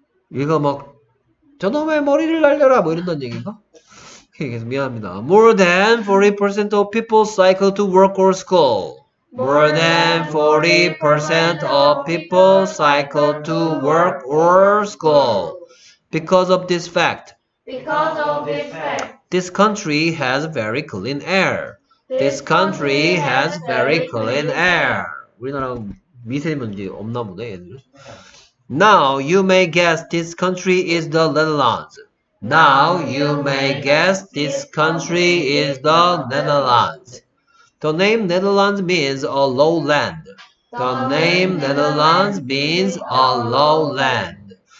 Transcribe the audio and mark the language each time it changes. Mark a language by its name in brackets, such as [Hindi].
[Korean] 얘가 막 저놈의 머리를 날려라 뭐 이런다는 얘기인가? 오케이, okay, 계속 미안합니다. [English] More than 40% of people cycle to work or school. More than 40% of people cycle to work or school. Because of this fact. Because of this fact. This country has very clean air. This country has very clean air. [Korean] 우리나라 미세 먼지 없나 보네, 얘들. [English] Now you may guess this country is the Netherlands. Now you may guess this country is the Netherlands. The name Netherlands means a low land. The name Netherlands means a low land.